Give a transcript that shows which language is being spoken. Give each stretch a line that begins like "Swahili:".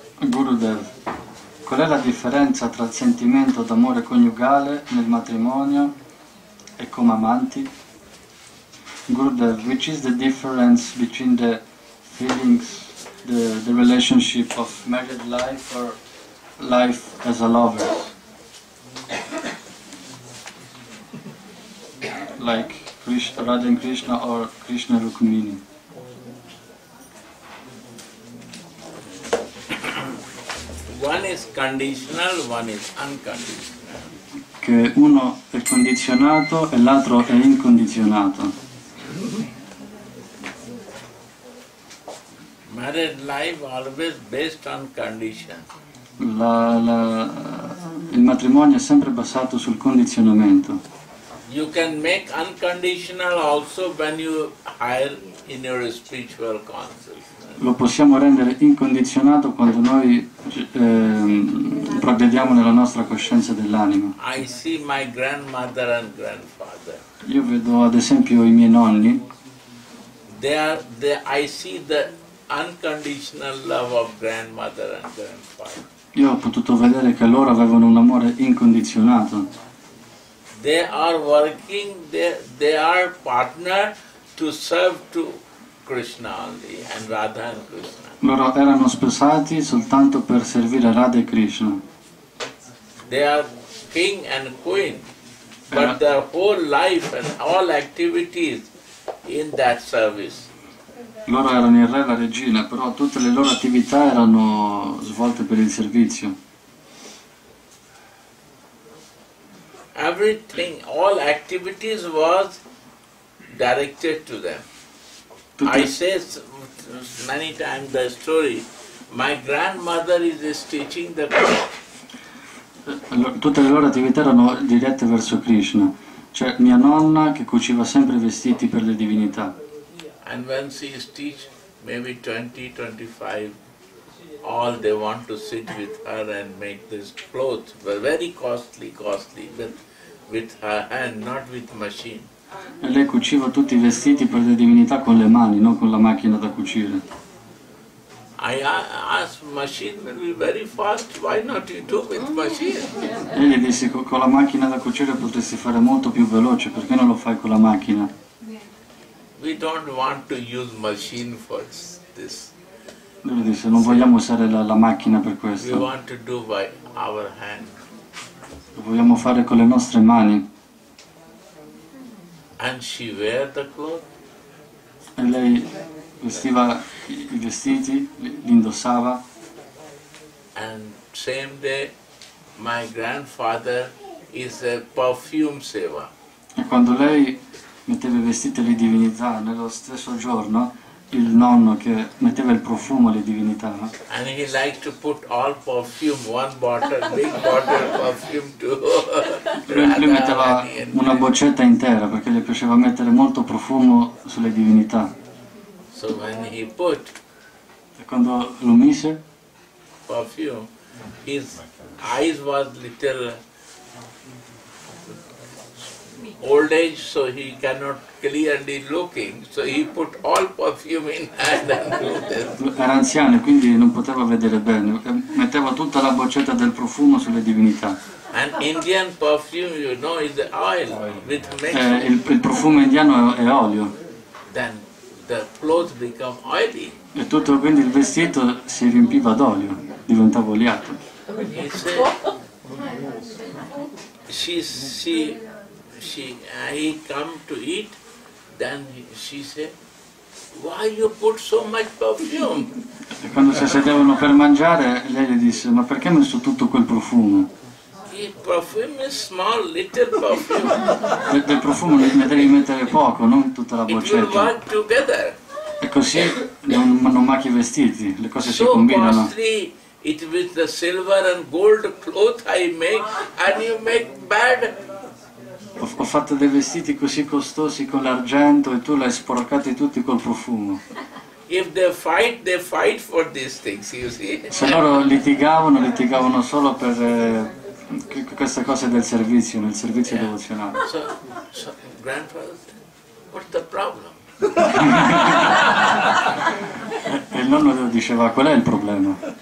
Italian: Gurudev, qual è la differenza tra il sentimento d'amore coniugale nel matrimonio e come amanti?
English: Gurudev, which is the difference between the feelings, the relationship of married life or life as a lover? Like Radha and Krishna or Krishna Rukmini? One is conditional, one is unconditional.
Italian: Che uno è condizionato e l'altro è incondizionato.
English: Married life always based on condition.
Italian: Il matrimonio è sempre basato sul condizionamento.
English: You can make unconditional also when you hire in your spiritual council.
Italian: Lo possiamo rendere incondizionato quando noi provvediamo nella nostra coscienza dell'anima.
English: I see my grandmother and grandfather.
Italian: Io vedo ad esempio i miei nonni.
English: I see the unconditional love of grandmother and grandfather.
Italian: Io ho potuto vedere che loro avevano un amore incondizionato.
English: They are working, they are partner to serve to Krishna only, and Radha and Krishna.
Italian: Loro erano sposati soltanto per servire Radha e Krishna.
English: They are king and queen, but their whole life and all activities in that service.
Italian: Loro erano il re e la regina, però tutte le loro attività erano svolte per il servizio.
English: Everything, all activities was directed to them. I say many times the story, my grandmother is teaching the Krishna.
Italian: Tutte le loro attività erano dirette verso Krishna. Cioè mia nonna che cuciva sempre vestiti per le divinità.
English: And when she is teach maybe 20, 25, all they want to sit with her and make this clothes, very costly, with her hand, not with machine.
Italian: E lei cuciva tutti i vestiti per le divinità con le mani, non con la macchina da cucire.
English: I asked, machine will be very fast, why not you do with machine?
Italian: E gli disse, con la macchina da cucire potresti fare molto più veloce, perché non lo fai con la macchina?
English: We don't want to use machine for this.
Italian: Lui disse, non vogliamo usare la macchina per questo.
English: We want to do by our hand.
Italian: Lo vogliamo fare con le nostre mani.
English: And she wear the cloth?
Italian: E lei vestiva i vestiti, li indossava.
English: And same day my grandfather is a perfume seva.
Italian: E quando lei metteva i vestiti alle divinità, nello stesso giorno il nonno che metteva il profumo alle divinità.
English: And he liked to put all perfume, one bottle, big bottle perfume too.
Italian: Lui metteva una boccetta intera perché gli piaceva mettere molto profumo sulle divinità.
English: So when he put,
Italian: e quando lo mise,
English: perfume, his eyes was little old age, so he cannot clearly looking, so he put all perfume in hand and
Italian: era anziano, quindi non poteva vedere bene, metteva tutta la boccetta del profumo sulle divinità.
English: And Indian perfume, you know, is the oil with mix.
Italian: Il profumo indiano è olio.
English: Then the clothes become oily.
Italian: E tutto, quindi il vestito si riempiva d'olio, diventava oliato.
English: He come to eat, then she say, why you put so much perfume?
Italian: E quando si sedevano per mangiare, lei gli disse, ma perché hai messo tutto quel profumo?
English: The perfume is small, little perfume.
Italian: Del profumo ne devi mettere poco, non tutta la boccetta.
English: It will work together.
Italian: E così non macchi i vestiti, le cose so si combinano.
English: Costly. It with the silver and gold cloth I make, and you make bad.
Italian: Ho fatto dei vestiti così costosi con l'argento e tu l'hai sporcati tutti col profumo.
English: If they fight for these things, you see.
Italian: Se loro litigavano solo per queste cose del servizio, nel servizio devozionale.
English: So, grandfather, what's the problem?
Italian: E il nonno diceva, qual è il problema?